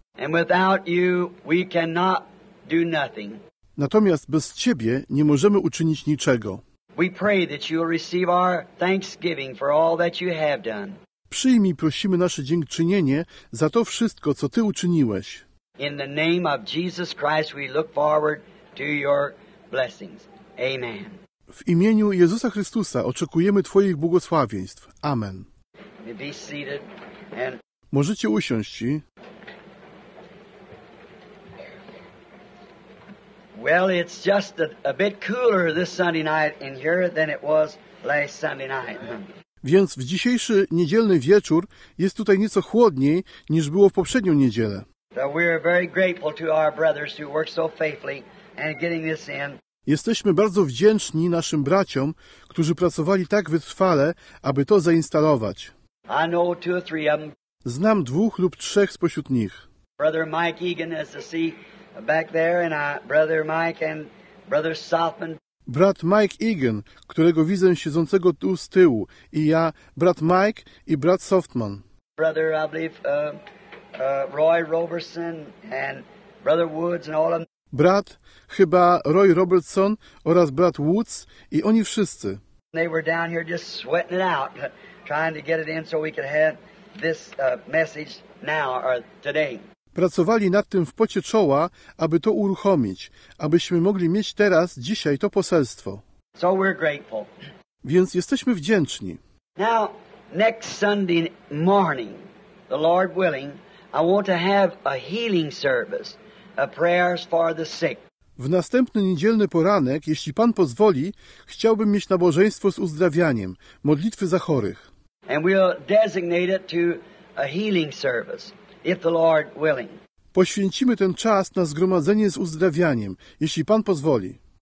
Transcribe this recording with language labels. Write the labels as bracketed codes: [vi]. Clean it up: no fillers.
[en] And without you, we cannot do nothing. [pl] Natomiast bez Ciebie nie możemy uczynić niczego. [en] We pray that you will receive our thanksgiving for all that you have done. [pl] Przyjmij, prosimy, nasze dziękczynienie za to wszystko, co Ty uczyniłeś. [en] In the name of Jesus Christ, we look forward to your blessings. Amen. [pl] W imieniu Jezusa Chrystusa oczekujemy Twoich błogosławieństw. Amen. [en] Be seated and... [pl] Możecie usiąść. [en] Well, it's just a bit cooler this Sunday night in here than it was last Sunday night. [pl] Więc w dzisiejszy niedzielny wieczór jest tutaj nieco chłodniej niż było w poprzednią niedzielę. [en] So we are very grateful to our brothers who work so faithfully and getting this in. [pl] Jesteśmy bardzo wdzięczni naszym braciom, którzy pracowali tak wytrwale, aby to zainstalować. [en] I know two or three of them. [pl] Znam dwóch lub trzech spośród nich. [en] Brother Mike Egan is to see back there, and brother Mike and brother Southman. [pl] Brat Mike Egan, którego widzę siedzącego tu z tyłu, i ja, brat Mike i brat Softman. [en] Brother, I believe, Roy Robertson and brother Woods and all of them. [pl] Brat, chyba Roy Robertson oraz brat Woods i oni wszyscy. [en] They were down here just sweating it out, trying to get it in so we could have this message now or today. [pl] Pracowali nad tym w pocie czoła, aby to uruchomić, abyśmy mogli mieć teraz, dzisiaj to poselstwo. [en] So we're grateful. [pl] Więc jesteśmy wdzięczni. [en] Now, next Sunday morning, the Lord willing, I want to have a healing service, a prayers for the sick. [pl] W następny niedzielny poranek, jeśli Pan pozwoli, chciałbym mieć nabożeństwo z uzdrawianiem, modlitwy za chorych. [en] And we'll designate it to a healing service, if the Lord willing. [pl] Poświęcimy ten czas na zgromadzenie z uzdrawianiem, jeśli Pan pozwoli.